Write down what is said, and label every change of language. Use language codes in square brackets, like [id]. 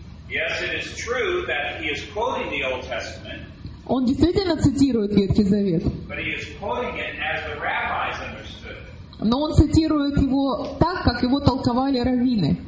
[en] Yes, it is true that he is quoting the Old Testament. [ru] Он действительно цитирует Ветхий Завет. [en] But he is quoting it as the rabbis understood. [ru] Но он цитирует его так, как его толковали раввины.